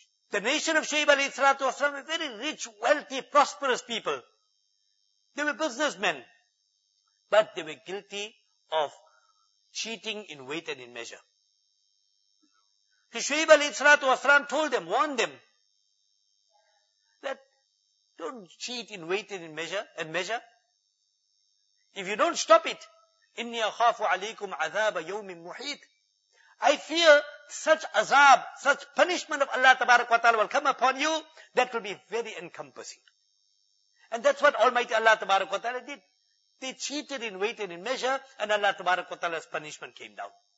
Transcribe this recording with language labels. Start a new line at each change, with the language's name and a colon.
English: The nation of Shu'aib alayhi salatu wa salam were very rich, wealthy, prosperous people. They were businessmen. But they were guilty of cheating in weight and in measure. So Shu'aib alayhi salatu wa salam told them, warned them, that don't cheat in weight and in measure. And measure. If you don't stop it,
Arabic: إِنِّي أَخَافُ عَلَيْكُمْ عَذَابَ يَوْمٍ مُحِيطٍ.
English: I fear such azab, such punishment of Allah tabarak wa ta'ala will come upon you, that will be very encompassing. And that's what Almighty Allah tabarak wa ta'ala did. They cheated in weight and in measure, and Allah tabarak wa ta'ala's punishment came down.